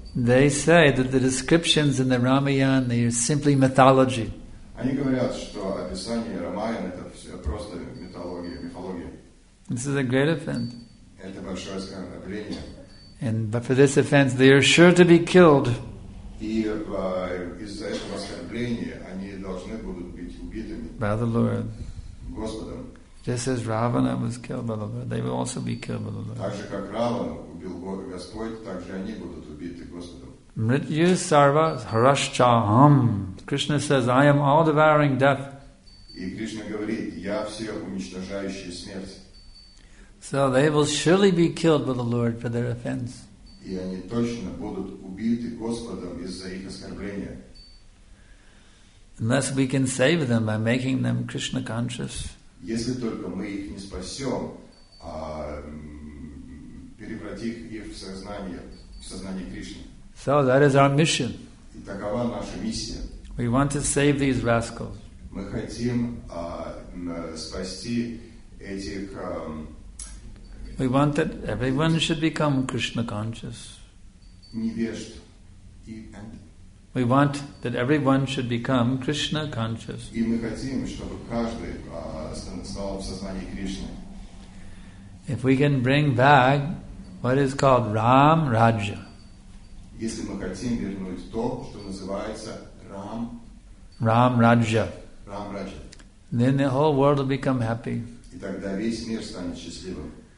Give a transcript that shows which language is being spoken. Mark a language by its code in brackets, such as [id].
[en] They say that the descriptions in the Ramayana are simply mythology. [ru] Они говорят, что описание Рамаяны это все просто мифология, мифология. [en] This is a great offense. [ru] Это большое оскорбление. [en] And but for this offense, they are sure to be killed. [ru] И из-за этого оскорбления они должны будут быть убитыми. [en] By the Lord. [ru] Господом. [en] Just as Ravana was killed by the Lord, they will also be killed by the Lord. [ru] Так же как Раван убил Господь, так же они будут убиты Господом. [sa] Mrityu sarva harascha ham. [en] Krishna says, I am all devouring death. [ru] И Кришна говорит, я все уничтожающий смерть. [en] So they will surely be killed by the Lord for their offense. [ru] И они точно будут убиты Господом из-за их оскорбления. [en] Unless we can save them by making them Krishna conscious. [ru] Если только мы их не спасем, а превратив их в сознание Кришны. [en] So that is our mission. [ru] И такова наша миссия. [en] We want to save these rascals. [ru] Мы хотим спасти этих. [en] We want that everyone should become Krishna conscious. [ru] Невежд. [en] We want that everyone should become Krishna conscious. [ru] И мы хотим, чтобы каждый стал в сознании Кришны. [en] If we can bring back what is called Ram Raja. [ru] Если мы хотим вернуть то, что называется Рам. [en] Ram Raja. Ram Raja. Then the whole world will become happy. [ru] И тогда весь мир станет счастливым.